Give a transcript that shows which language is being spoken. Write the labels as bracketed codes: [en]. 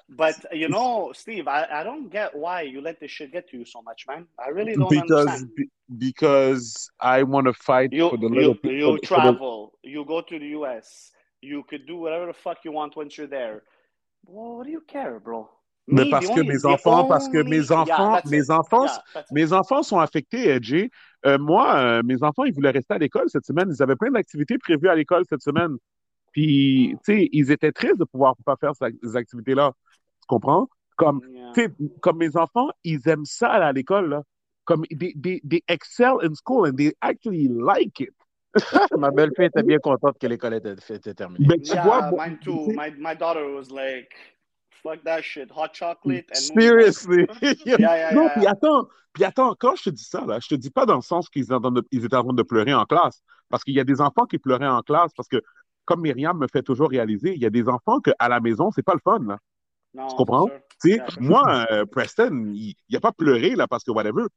[en] But, you know, Steve, I don't get why you let this shit get to you so much, man. I really don't understand. Because I want to fight for the little people. You travel. You go to the U.S., you could do whatever the fuck you want once you're there. Well, what do you care, bro? [fr] Mais parce que mes enfants, parce que mes enfants sont affectés, AJ. Mes enfants, ils voulaient rester à l'école cette semaine. Ils avaient plein d'activités prévues à l'école cette semaine. Puis, tu sais, ils étaient tristes de pouvoir pas faire ces activités-là. Tu comprends? Comme, yeah. Comme mes enfants, ils aiment ça aller à l'école. Là. [en] Comme, they excel in school and they actually like it. [fr] Ma belle-fille était bien contente que l'école était terminée. Mais tu vois, [en] bon, mine too. My daughter was like, fuck that shit, hot chocolate. And seriously. Yeah. [fr] Puis attends, quand je te dis ça, là, je te dis pas dans le sens qu'ils étaient en train de pleurer en classe. Parce qu'il y a des enfants qui pleuraient en classe. Parce que, comme Myriam me fait toujours réaliser, il y a des enfants qu'à la maison, c'est pas le fun. Là. Non, tu comprends? [en] Yeah, [fr] moi, Preston, il a pas pleuré là, parce que whatever.